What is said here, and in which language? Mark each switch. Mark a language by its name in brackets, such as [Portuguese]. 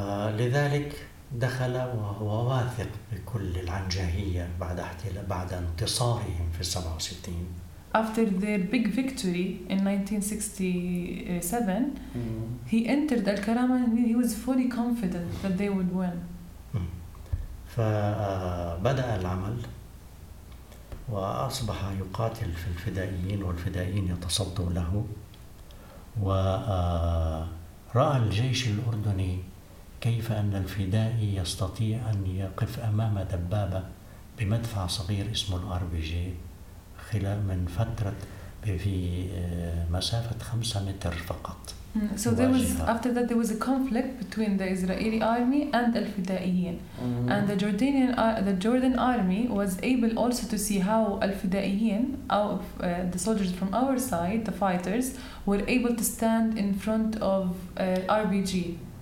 [Arabic] لذلك دخل وهو واثق بكل العنجهية بعد انتصارهم في 67. [English] After their big victory in 1967, he entered Al-Karama and he was fully confident that they would win. [Arabic] فبدأ العمل وأصبح يقاتل في الفدائيين والفدائيين يتصدوا له ورأى الجيش الأردني كيف أن الفدائي يستطيع أن يقف أمام دبابة بمدفع صغير اسمه الار بي جي خلال من فترة في مسافة 5 متر فقط. [English] So there was after that there was a conflict between the Israeli army and the Fidaeen, and the Jordan army was able also to see how Al-Fidaeen, the soldiers from our side, the fighters, were able to stand in front of RBG.